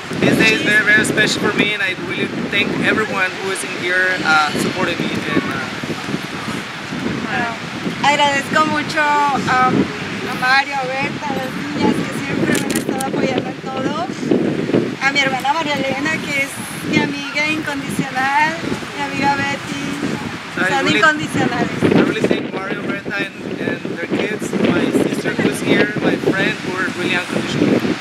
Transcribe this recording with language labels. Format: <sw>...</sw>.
<en>This day is very, very special for me, and I really thank everyone who is in here supporting me. And,</en> <es>agradezco mucho a Mario, a Berta, a las niñas que siempre me han estado apoyando en todo. A mi hermana María Elena, que es mi amiga incondicional. Mi amiga Betty. Son</es> <en>really,</en> <es>incondicionales.</es> <en>I really thank Mario, Berta, and their kids, my sister who's here, my friend, who are really unconditional.</en>